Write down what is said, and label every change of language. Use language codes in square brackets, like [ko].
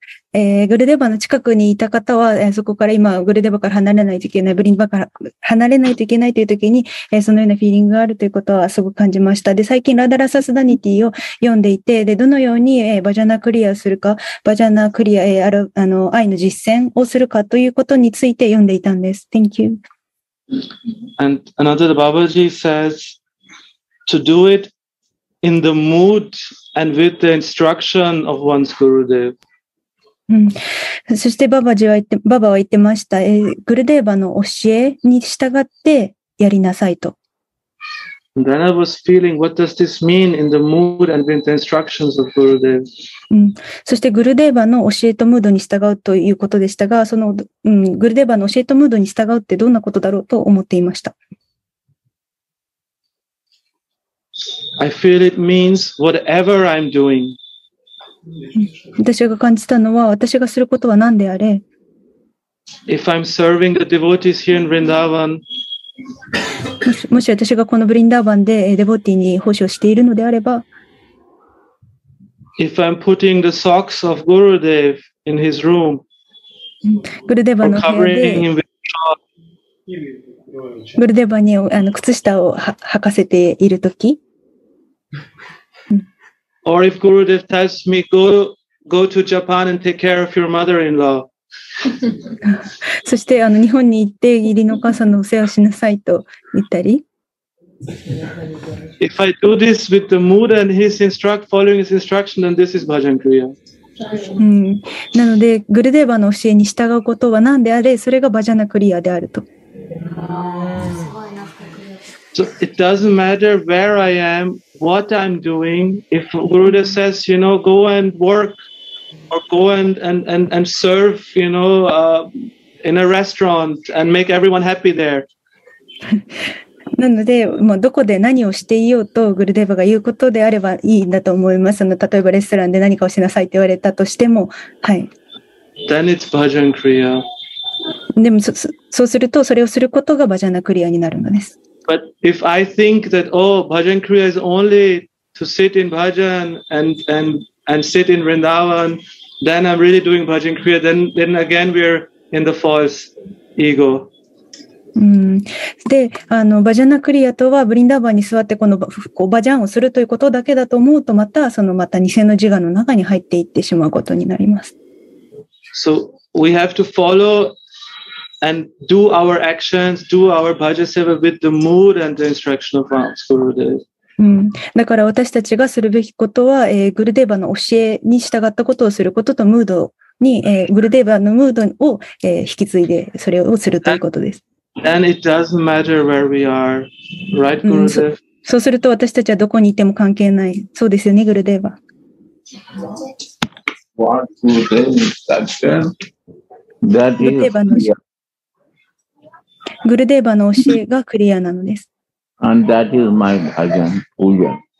[ja] グルデバの近くにいた方は、そこから今グルデバから離れないといけない、ブリンバから離れないといけないという時に、そのようなフィーリングがあるということはすごく感じました。で、最近ラダラサスダニティを読んでいて、で、どのように、バジャナクリアするか、バジャナクリア、愛の実践をするかということについて読んでいたんです。 [en] Thank you. And another Babaji says to do it in the mood and with the instruction of one's Gurudev. [ja] うん、そしてババは言ってました、グルデーバの教えに従ってやりなさいと。 [en] Then I was feeling, what does this mean in the mood and with the instructions of Gurudev?、 [ja] うん、そしてグルデーバの教えとムードに従うということでしたが、その、うん、グルデーバの教えとムードに従うってどんなことだろうと思っていました。 [en] I feel it means whatever I'm doing. [ja] 私が感じたのは、私がすることは何であれ [en] ?If I'm serving the devotees here in Vrindavan, [ja] もし私がこのブリンダーバンでデボティに奉仕をしているのであれば、 [en] If I'm putting the socks of Gurudev in his room, [ja] グルデバの部屋でグルデバに靴下を履かせているとき、 [en] Or if Gurudev tells me, go to Japan and take care of your mother-in-law. [ja] そして日本に行って義理のお母さんのお世話しなさいと言ったり。 [en] If I do this with the mood and his instruct, following his instruction, then this is Bhajan Kriya. [ja] なのでグルデーバの教えに従うことは何であれそれがバジャナクリアであると。 [en] So it doesn't matter where I am, what I'm doing. If Gurudev says, you know, go and work or go and serve, you know, in a restaurant and make everyone happy there. [ja] なのでもうどこで何をしていようとグルデーバが言うことであればいいんだと思います。例えばレストランで何かをしなさいって言われたとしても、はい、 [en] Then it's Bhajan Kriya. [ja] でも そうするとそれをすることがバジャナクリアになるのです。 [en] But if I think that oh Bhajan Kriya is only to sit in Bhajan and sit in Vrindavan, then I'm really doing Bhajan Kriya, then again we're in the false ego. [ja] うん、であのバジャナクリアとはブリンダーバンに座ってこのこうバジャンをするということだけだと思うとまたそのまた偽の自我の中に入っていってしまうことになります。 [en] So we have to follow and do our actions, do our bhaja seva with the mood and the instruction of our Gurudev. [ja] うん、だから私たちがするべきことは、グルデーバの教えに従ったことをすることとムードに、グルデーバのムードを、引き継いでそれをするということです。 [en] Then it doesn't matter where we are, right, Gurudev?、 [ja] うん、そうすると私たちはどこにいても関係ない。そうですよね、グルデーバ。 [en] What Gurudev instruction? That is clear. [ja] グルデーバの教えがクリアなのです。 [en] And that is my bhajan, puja.